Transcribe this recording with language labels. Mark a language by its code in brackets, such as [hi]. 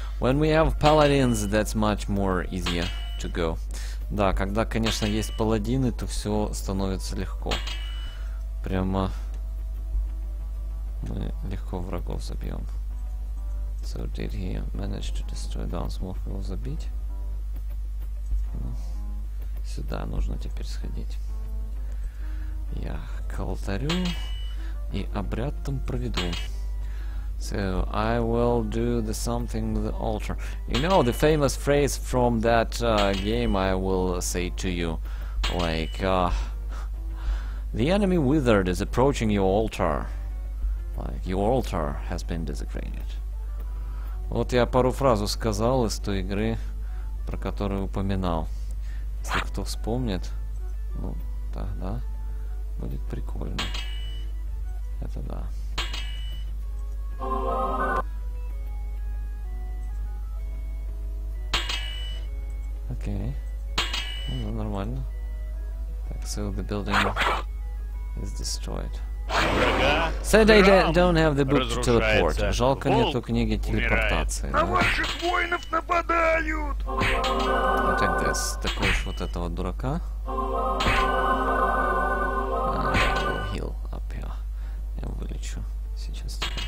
[en] When we have paladins, that's much more easier to go. [ru] Да, когда, конечно, есть паладины, то все становится легко. Прямо мы легко врагов забьем. [en] So did he manage to destroy them? [ru] Смог его забить? Ну, сюда нужно теперь сходить. Я к алтарю и обряд там проведу. [en] So, I will do the something with the altar. You know, the famous phrase from that game I will say to you. Like, the enemy wizard is approaching your altar. Like, your altar has been desecrated. [ru] Вот я пару фразу сказал из той игры, про которую упоминал. Если кто вспомнит, ну, тогда будет прикольно. Это да. Окей. Ну, нормально. Так, [en] so the building is destroyed. Said I don't have the book to teleport. [ru] Жалко нету книги телепортации. На ваших воинов нападают! Вот это, такой вот этого дурака. [en] Heal up here. [ru] Я вылечу сейчас.